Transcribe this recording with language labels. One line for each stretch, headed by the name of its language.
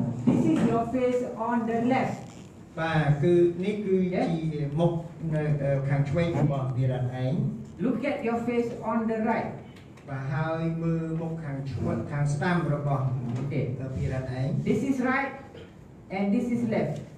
English: This is your face on the left.
Khmer: បាទគឺនេះគឺជាមុខនៅខាងឆ្វេងរបស់វីរៈឯង
English: Look at your face on the right
Khmer: បាទហើយមើលមុខខាងឆ្វេងខាងស្ដាំរបស់ ទៅវីរៈឯង
English: This is right and this is left